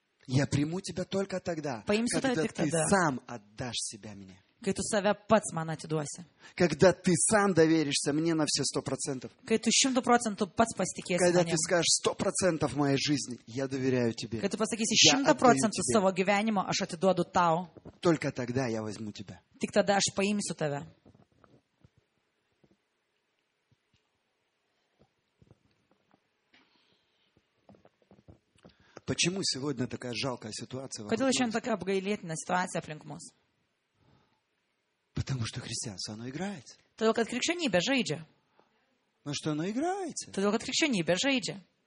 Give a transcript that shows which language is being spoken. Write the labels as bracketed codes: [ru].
[ru] Я приму тебя только тогда, когда ты сам отдашь себя мне. [lt] Kai tu save pats man atiduosi. [ru] Когда ты сам доверишься мне на все 100%. [lt] Kai tu 100% pats pasitikėsi manim. [ru] Когда ты скажешь 100% моей жизни, я доверяю тебе. [lt] Kai tu pasakysi 100% savo gyvenimo, aš atiduodu tau. [ru] Только тогда я возьму тебя. [lt] Tik tada aš paimsiu tave. [ru] Почему сегодня такая жалкая ситуация? [lt] Kodėl šiandien tokia apgailėtina situacija aplink mus? [ru] Потому что христианство, оно играется. [lt] Todėl, kad krikščionybė žaidžia. [ru] Но что оно играется? [lt] Todėl, kad krikščionybė žaidžia.